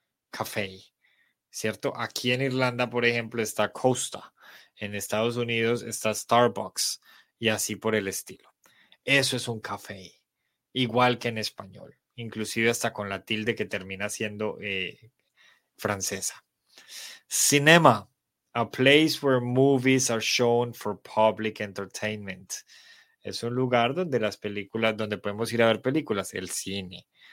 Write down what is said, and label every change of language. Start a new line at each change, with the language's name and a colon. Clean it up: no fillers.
Spanish: Café, ¿cierto? Aquí en Irlanda, por ejemplo, está Costa. En Estados Unidos está Starbucks y así por el estilo. Eso es un café. Igual que en español, inclusive hasta con la tilde que termina siendo francesa.
English: Cinema, a place where movies are shown for public entertainment.
Spanish: Es un lugar donde las películas, donde podemos ir a ver películas, el cine.